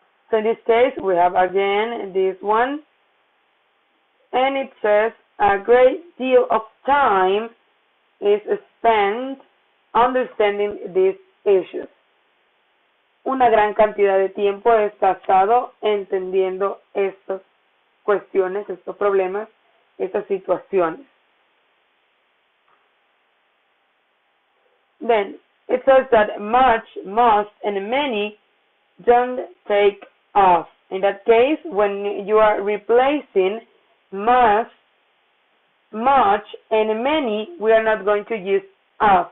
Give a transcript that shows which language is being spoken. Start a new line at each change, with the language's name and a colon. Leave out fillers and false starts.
English: So in this case, we have again this one, and it says a great deal of time is spent understanding these issues.
Spanish: Una gran cantidad de tiempo es gastado entendiendo estos cuestiones, estos problemas, estas situaciones.
English: Then, it says that much, most, and many don't take off. In that case, when you are replacing must, much, and many, we are not going to use off.